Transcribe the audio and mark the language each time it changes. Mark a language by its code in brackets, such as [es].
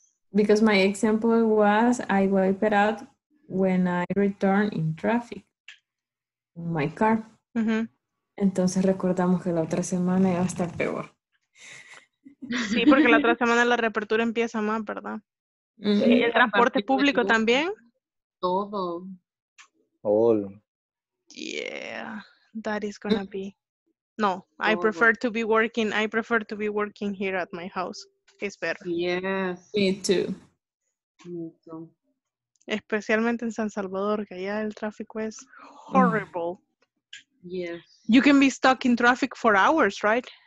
[en] Because my example was I wiped out when I returned in traffic. My car. Uh-huh. [es] Entonces recordamos que la otra semana iba a estar peor. Sí, porque la otra semana la reapertura empieza más, ¿verdad? Sí, ¿y el transporte público también? Todo. [en] All. Yeah, that is gonna be. [es] No, todo. [en] I prefer to be working. I prefer to be working here at my house. It's better. Yes. Yeah. Me too. [es] Especialmente en San Salvador, que allá el tráfico es horrible. Mm. [en] Yes. You can be stuck in traffic for hours, right?